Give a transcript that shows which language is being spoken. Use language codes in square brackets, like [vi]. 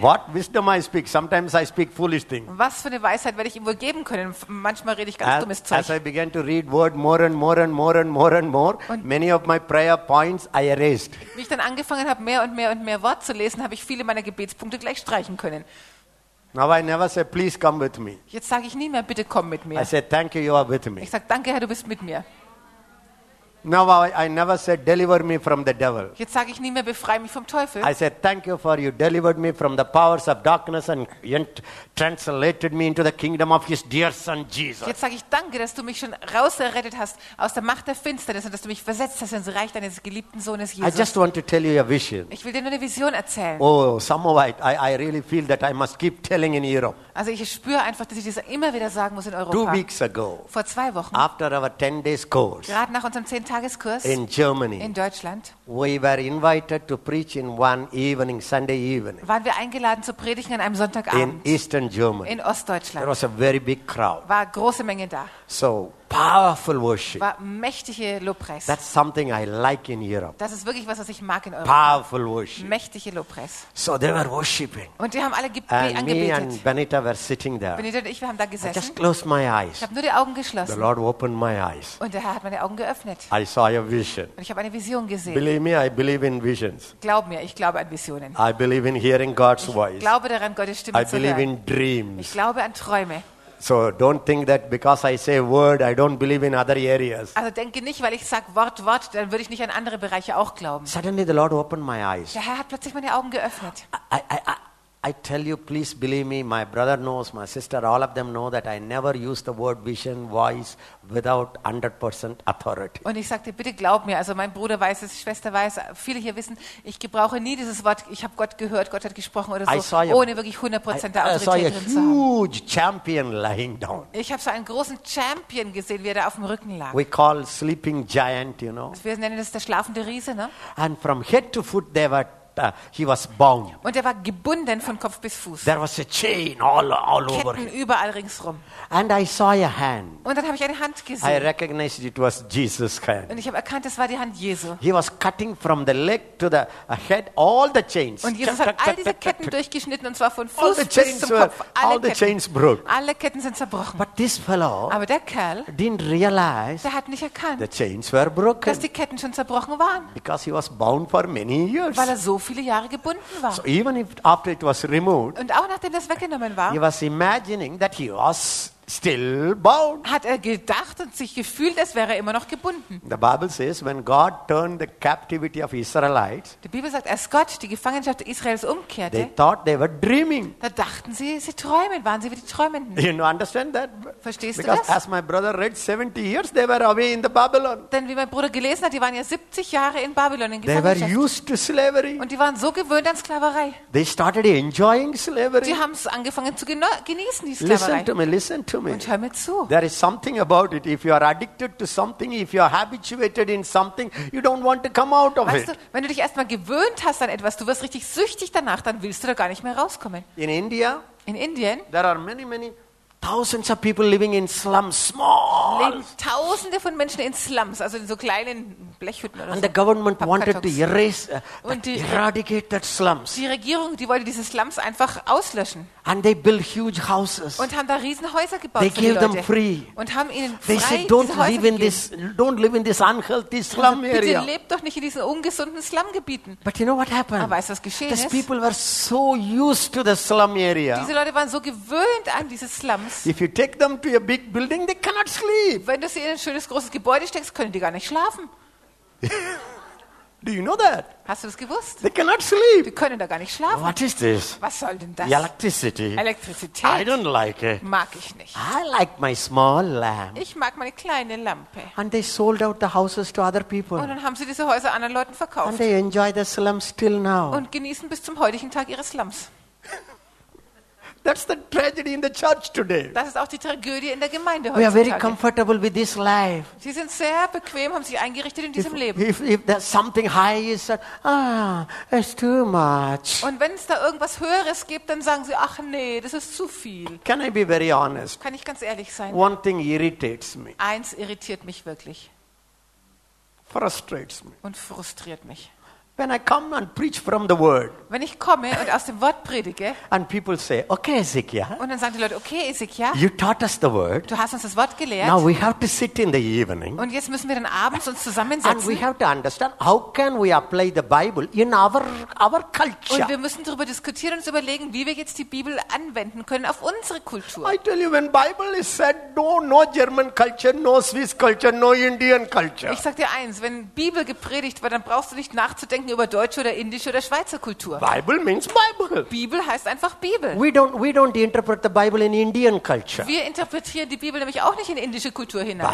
[en] what wisdom I speak? Sometimes I speak foolish things. [de] Was für eine Weisheit werde ich ihm wohl geben können? Manchmal rede ich ganz dummes Zeug. [en] As I began to read word more and more, [de] und [en] many of my prayer points I erased. [de] Wie ich dann angefangen habe, mehr und mehr Wort zu lesen, habe ich viele meiner Gebetspunkte gleich streichen können. [en] Now I never say, please come with me. [de] Jetzt sage ich nie mehr, bitte komm mit mir. [en] I say, thank you, you are with me. [de] Ich sage, danke Herr, du bist mit mir. [en] Now I never said deliver me from the devil. [de] Jetzt sage ich nie mehr befreie mich vom Teufel. [en] I said thank you for you delivered me from the powers of darkness and translated me into the kingdom of his dear son Jesus. [de] Jetzt sage ich danke, dass du mich schon rausgerettet hast aus der Macht der Finsternis und dass du mich versetzt hast ins Reich deines geliebten Sohnes Jesus. [en] I just want to tell you your vision. [de] Ich will dir nur eine Vision erzählen. [en] Oh, somehow I really feel that I must keep telling in Europe. [de] Also ich spüre einfach, dass ich das immer wieder sagen muss in Europa. [en] 2 weeks ago. [de] Vor 2 Wochen. [en] After our 10 days course. [de] Gerade nach unserem 10 Tagen Tageskurs [en] in Germany. [de] In Deutschland. [en] We were invited to preach in one evening, Sunday evening. [de] Waren wir eingeladen zu predigen an einem Sonntagabend. [en] In Eastern Germany. [de] In Ostdeutschland. [en] There was a very big crowd. [de] War große Menge da. [en] So powerful worship. [de] War mächtige Lobpreis. [en] That's something I like in Europe. [de] Das ist wirklich was ich mag in Europa. [en] Powerful worship. [de] Mächtige Lobpreis. [en] So they were worshiping. [de] Und die haben alle angebetet. [en] Me and Benita were sitting there. [de] Benita und ich, wir haben da gesessen. [en] I just closed my eyes. [de] Ich habe nur die Augen geschlossen. [en] The Lord opened my eyes. [de] Und der Herr hat meine Augen geöffnet. [en] I saw a vision. [de] Und ich habe eine Vision gesehen. [en] Believe me, I believe in visions. [de] Glaub mir, ich glaube an Visionen. [en] I believe in hearing God's voice. [de] Ich glaube daran, Gottes Stimme zu hören. [en] I believe in dreams. [de] Ich glaube an Träume. [en] So don't think that because I say word, I don't believe in other areas. [de] Also denke nicht, weil ich sag Wort, dann würde ich nicht an andere Bereiche auch glauben. [en] Suddenly the Lord opened my eyes. [de] Der Herr hat plötzlich meine Augen geöffnet. [en] I tell you, please believe me, my brother knows, my sister, all of them know that I never use the word vision, voice, without 100% authority. [de] Und ich sagte, bitte glaub mir, also mein Bruder weiß es, Schwester weiß, viele hier wissen, ich gebrauche nie dieses Wort, ich habe Gott gehört, Gott hat gesprochen oder so, ohne wirklich 100% Autorität drin zu haben. [en] I saw a huge champion lying down. [de] Ich habe so einen großen Champion gesehen, wie er da auf dem Rücken lag. [en] We call sleeping giant, you know. [de] Wir nennen das der schlafende Riese, ne? [en] And from head to foot they were he was bound. [de] Und er war gebunden von Kopf bis Fuß. [en] There was a chain all over him. [de] Ketten überall ringsrum. [en] And I saw a hand. [de] Und dann habe ich eine Hand gesehen. [en] I recognized it was Jesus' hand. [de] Und ich habe erkannt, es war die Hand Jesu. [en] He was cutting from the leg to the head all the chains. [de] Und Jesus hat all diese Ketten durchgeschnitten und zwar von Fuß bis zum Kopf. [en] All the chains broke. [de] Alle Ketten sind zerbrochen. [en] But this fellow, [de] aber der Kerl, [en] didn't realize. [de] Der hat nicht erkannt. [en] The chains were broken. [de] Dass die Ketten schon zerbrochen waren. [en] Because he was bound for many years. [de] Weil er so viele Jahre gebunden war. [en] So even if after it was removed, [de] und auch nachdem das weggenommen war, [en] he was imagining that he was still bound. [de] Hat er gedacht und sich gefühlt, als wäre er immer noch gebunden. [en] The Bible says, when God turned the captivity of Israelites, [de] die Bibel sagt, als Gott die Gefangenschaft Israels umkehrte, [en] they thought they were dreaming. [de] Da dachten sie, sie träumen, waren sie wie die Träumenden. [en] You know, understand that? [de] Verstehst [en] Because [de] du das? [en] As my brother read, 70 years they were away in the Babylon. [de] Denn wie mein Bruder gelesen hat, die waren ja 70 Jahre in Babylon in Gefangenschaft. [en] They were used to slavery. [de] Und die waren so gewöhnt an Sklaverei. [en] They started enjoying slavery. [de] Die haben es angefangen zu genießen, die Sklaverei. [en] Listen to me. [de] Und hör mir zu. [en] There is something about it. If you are addicted to something, if you are habituated in something, you don't want to come out of it. [de] Wenn du dich erstmal gewöhnt hast an etwas, du wirst richtig süchtig danach, dann willst du da gar nicht mehr rauskommen. [en] In India. [de] In Indien. [en] There are many, many thousands of people living in slums, small. [de] Leben Tausende von Menschen in Slums, also in so kleinen Blechhütten oder so. [en] And the government wanted to erase, eradicate that slums. [de] Die Regierung, die wollte diese Slums einfach auslöschen. [en] And they built huge houses. [de] Und haben da Riesenhäuser gebaut. [en] They gave them free. [de] Und haben ihnen frei diese Häuser gegeben. [en] They said, don't live in this unhealthy slum area. [de] Bitte lebt doch nicht in diesen ungesunden Slumgebieten. [en] But you know what happened? [de] Aber weißt du, was geschehen ist? [en] These people were so used to the slum area. [de] Diese Leute waren so gewöhnt an diese Slums. [en] If you take them to a big building, they cannot sleep. [de] Wenn du sie in ein schönes großes Gebäude steckst, können die gar nicht schlafen. [en] Do you know that? [de] Hast du das gewusst? [en] They cannot sleep. [de] Die können da gar nicht schlafen. [en] What is this? [de] Was soll denn das? [en] The electricity. [de] Elektrizität. [en] I don't like it. [de] Mag ich nicht. [en] I like my small lamp. [de] Ich mag meine kleine Lampe. [en] And they sold out the houses to other people. [de] Und dann haben sie diese Häuser anderen Leuten verkauft. [en] And they enjoy the slums till now. [de] Und genießen bis zum heutigen Tag ihre Slums. [en] That's the tragedy in the church today. [de] Das ist auch die Tragödie in der Gemeinde heutzutage. [en] We are very comfortable with this life. [de] Sie sind sehr bequem, haben sich eingerichtet in diesem Leben. [en] If there's something high is, it's too much. [de] Und wenn es da irgendwas Höheres gibt, dann sagen sie, ach nee, das ist zu viel. [en] Can I be very honest? [de] Kann ich ganz ehrlich sein? [en] One thing irritates me. [de] Eins irritiert mich wirklich. [en] Frustrates me. [de] Und frustriert mich. [en] When I come and preach from the word. [de] Wenn ich komme und aus dem Wort predige. [en] And people say, "Okay, Ezekiel." [de] Und dann sagen die Leute, "Okay, Ezekiel." [en] You taught us the word. [de] Du hast uns das Wort gelehrt. [en] Now we have to sit in the evening. [de] Und jetzt müssen wir dann abends uns zusammensetzen. [en] And we have to understand how can we apply the Bible in our culture. [de] Und wir müssen darüber diskutieren und uns überlegen, wie wir jetzt die Bibel anwenden können auf unsere Kultur. [en] I tell you, when Bible is said, no German culture, no Swiss culture, no Indian culture. [de] Ich sag dir eins, wenn Bibel gepredigt wird, dann brauchst du nicht nachzudenken über deutsche oder indische oder Schweizer Kultur. [en] Bible means Bible. [de] Bibel heißt einfach Bibel. [en] We don't interpret the Bible in Indian culture. [de] Wir interpretieren die Bibel nämlich auch nicht in indische Kultur hinein.